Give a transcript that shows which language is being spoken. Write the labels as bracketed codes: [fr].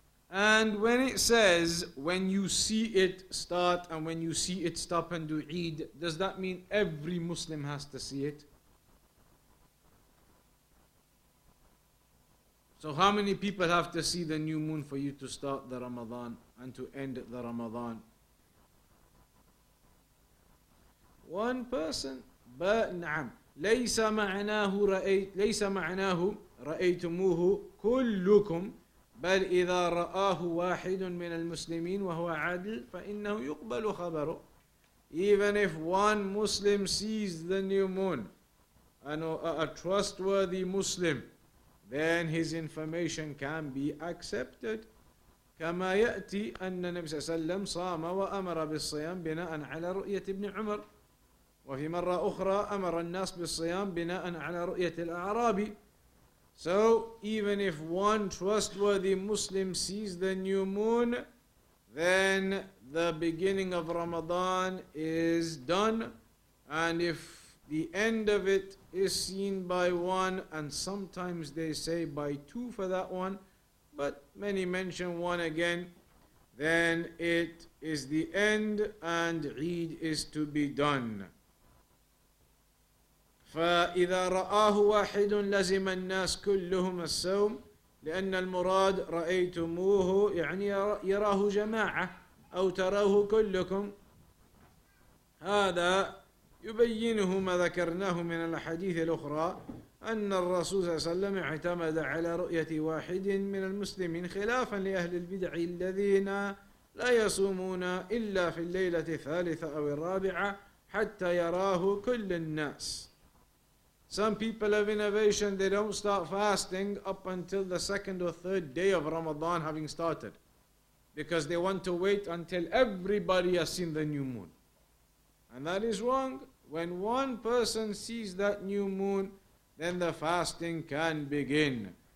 [en] And when it says, when you see it start and when you see it stop and do Eid, does that mean every Muslim has to see it? So how many people have to see the new moon for you to start the Ramadan and to end the Ramadan? One person. [ar] نعم ليس معناه رأيت ليس معناه رأيتموه كلكم بل إذا رآه واحد من المسلمين وهو عادل فإنه يقبل خبره. [en] Even if one Muslim sees the new moon, a trustworthy Muslim, then his information can be accepted. [ar] كما يأتي أن النبي صلى الله عليه وسلم صام وأمر بالصيام بناء على رؤية ابن عمر. وفي مرة أخرى أمر الناس بالصيام بناء على رؤية الأعرابي. [en] So even if one trustworthy Muslim sees the new moon, then the beginning of Ramadan is done. And if the end of it is seen by one, and sometimes they say by two for that one, but many mention one again, then it is the end and Eid is to be done. [ar] فإذا رآه واحد لزم الناس كلهم الصوم لأن المراد رأيتموه يعني يراه جماعة أو تراه كلكم. هذا يبينه ما ذكرناه من الحديث الأخرى أن الرسول صلى الله عليه وسلم اعتمد على رؤية واحد من المسلمين خلافا لأهل البدع الذين لا يصومون إلا في الليلة الثالثة أو الرابعة حتى يراه كل الناس. [en] Some people of innovation, they don't start fasting up until the second or third day of Ramadan having started, because they want to wait until everybody has seen the new moon. And that is wrong. When one person sees that new moon, then the fasting can begin.